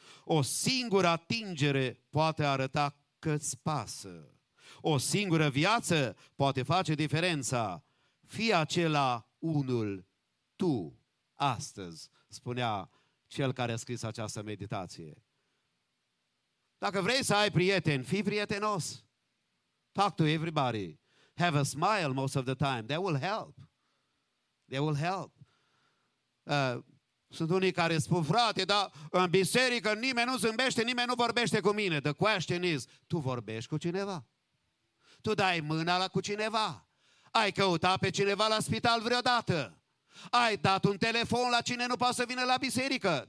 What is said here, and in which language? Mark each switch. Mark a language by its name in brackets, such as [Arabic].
[Romanian] O singură atingere poate arăta cât-ți pasă. O singură viață poate face diferența. Fii acela unul tu astăzi, spunea cel care a scris această meditație. Dacă vrei să ai prieteni, fii prietenos. [English] talk to everybody, have a smile most of the time. That will help. That will help. [Romanian] Sunt unii care spun, frate, dar în biserică nimeni nu zâmbește, nimeni nu vorbește cu mine. [English] The question is, [Romanian] tu vorbești cu cineva? Tu dai mâna la cu cineva? Ai căutat pe cineva la spital vreodată? Ai dat un telefon la cine nu poate să vină la biserică?